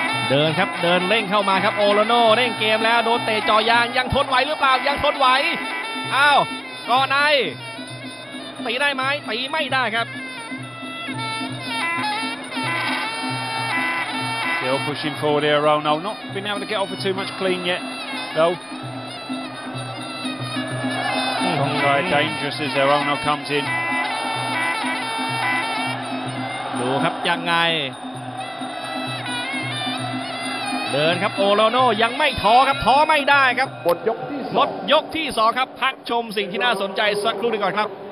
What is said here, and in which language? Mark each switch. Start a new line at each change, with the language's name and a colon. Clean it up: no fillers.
Thai: เดินครับเดินเร่งเข้ามาครับโอโรโน่เร่งเกมแล้วโดนเตะจ่อยางยังทนไหวหรือเปล่ายังทนไหวอ้าวเกาะในตีได้ไหมตีไม่ได้ครับ
English: Still pushing forward here Arono not been able to get off with too much clean yet though Conklay dangerous as Arono comes in
Thai: ดูครับยังไงเดินครับโอโรโน่ยังไม่ท้อครับท้อไม่ได้ครับ หมดยกที่2 หมดยกที่2ครับพักชมสิ่งที่น่าสนใจสักครู่นึงก่อนครับ